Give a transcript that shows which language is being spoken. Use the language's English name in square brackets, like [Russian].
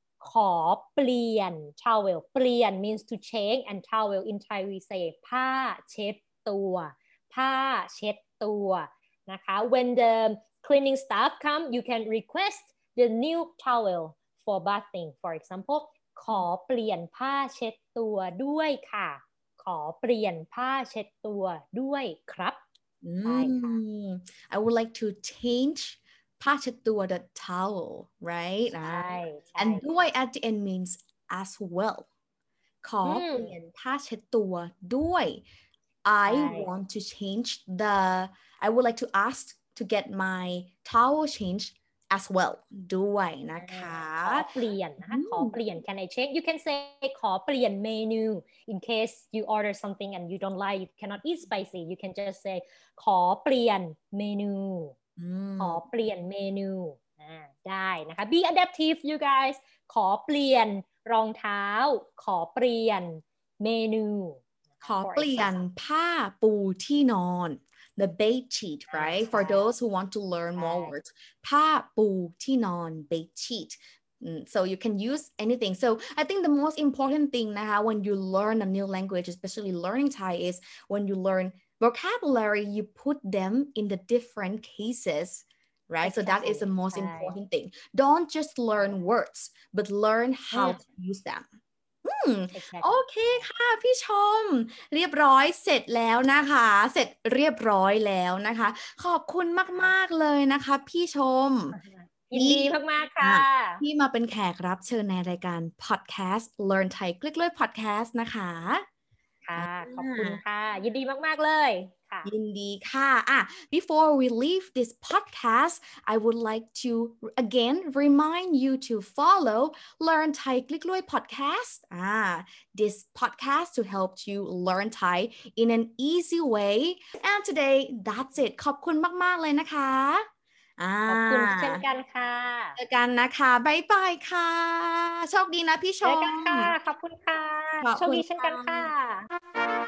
[Thai] ขอเปลี่ยน [English] towel เปลี่ยน means to change and towel in Thai we say [Thai] ผ้าเช็ดตัวผ้าเช็ดตัวนะคะ [English] when the cleaning staff come you can request the new towel for bathing for example [Thai] ขอเปลี่ยนผ้าเช็ดตัวด้วยค่ะขอเปลี่ยนผ้าเช็ดตัวด้วยครับ [English] I would like to change pachetua the towel, right? Right. And duai at the end means as well. Kopien pachetua duai. I want to change the, I would like to ask to get my towel changed as well. Duai na ka. Kopien, kopien. Can I change? You can say kopien menu in case you order something and you don't like, you cannot eat spicy. You can just say kopien menu. [Thai] ขอเปลี่ยนเมนูได้นะคะ [English] be adaptive you guys [Thai] ขอเปลี่ยนรองเท้าขอเปลี่ยนเมนู ขอเปลี่ยนผ้าปูที่นอน [English] the bed sheet right for those who want to learn more words ผ้าปูที่นอน bed sheet so you can use anything so I think the most important thing นะคะ when you learn a new language especially learning Thai is when you learnvocabulary you put them in the different cases right exactly. so that is the most important thing don't just learn words but learn how to use them [Thai] โอเคค่ะพี่ชมเรียบร้อยเสร็จแล้วนะคะเสร็จเรียบร้อยแล้วนะคะขอบคุณมากๆเลยนะคะพี่ชม ยินดีมากๆค่ะ ที่มาเป็นแขกรับเชิญในรายการ podcast learn Thai คลิกเลย podcast นะคะ ค่ะขอบคุณค่ะยินดีมากๆเลยค่ะ ยินดีค่ะ [English] Before we leave this podcast I would like to again remind you to follow Learn Thai Click Lui podcast this podcast to help you learn Thai in an easy way and today that's it [Thai] ขอบคุณมากๆเลยนะคะ ขอบคุณเช่นกันค่ะ เจอกันนะคะบ๊ายบายค่ะโชคดีนะพี่ชม เจอกันค่ะขอบคุณค่ะโชคดีเช่นกันค่ะ